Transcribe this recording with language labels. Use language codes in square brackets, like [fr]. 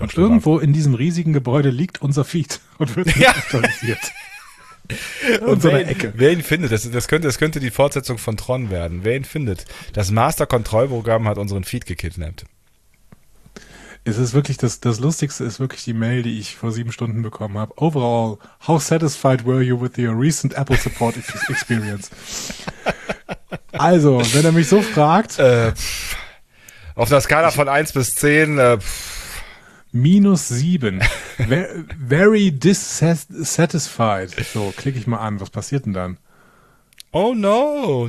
[de] und auch irgendwo war. In diesem riesigen Gebäude liegt unser Feed und wird digitalisiert. Ja. Und so eine Ecke. Wer ihn findet, das könnte die Fortsetzung von Tron werden. Wer ihn findet, das Master-Kontrollprogramm hat unseren Feed gekidnappt. Es ist wirklich, das Lustigste ist wirklich die Mail, die ich vor 7 Stunden bekommen habe. [en] Overall, how satisfied were you with your recent Apple Support Experience? [de] Also, wenn er mich so fragt. Auf einer Skala von 1 bis 10. -7. [en] Very dissatisfied. [de] So, klicke ich mal an. Was passiert denn dann? [en] Oh no,